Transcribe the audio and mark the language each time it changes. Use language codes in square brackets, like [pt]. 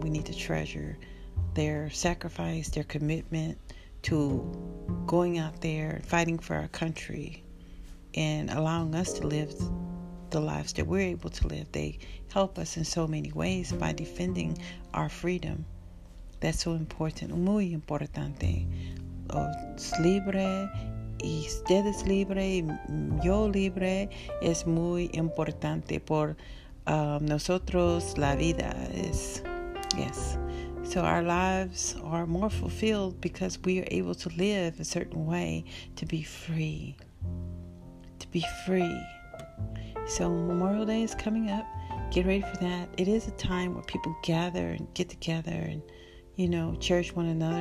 [en] We need to treasure their sacrifice, their commitment to going out there, fighting for our country, and allowing us to live the lives that we're able to live. They help us in so many ways by defending our freedom. That's so important. [es] Muy importante. Los libre, y ustedes libre, yo libre, es muy importante por nosotros, la vida es, yes. [en] So our lives are more fulfilled because we are able to live a certain way, to be free. To be free. So Memorial Day is coming up. Get ready for that. It is a time where people gather and get together and, you know, cherish one another.